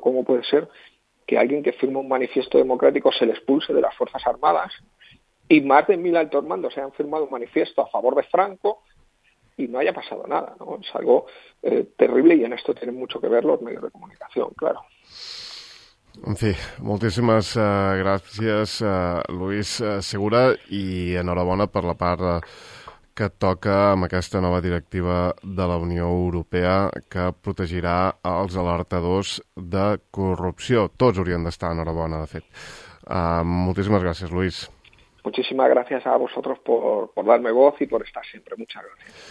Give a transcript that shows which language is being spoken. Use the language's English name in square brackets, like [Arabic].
[Spanish] ¿Cómo puede ser que alguien que firma un manifiesto democrático se le expulse de las Fuerzas Armadas y más de 1.000 altos mandos se han firmado un manifiesto a favor de Franco y no haya pasado nada, ¿no? Es algo terrible, y en esto tienen mucho que ver los medios de comunicación, claro. [Catalan] En fi, moltíssimes gràcies, Luis Segura, i enhorabona per la part que toca amb aquesta nova directiva de la Unió Europea que protegirà els alertadors de corrupció. Tots haurien d'estar enhorabona, de fet. Moltíssimes gràcies, Luis. [Spanish] Muchísimas gracias a vosotros por darme voz y por estar siempre. Muchas gracias.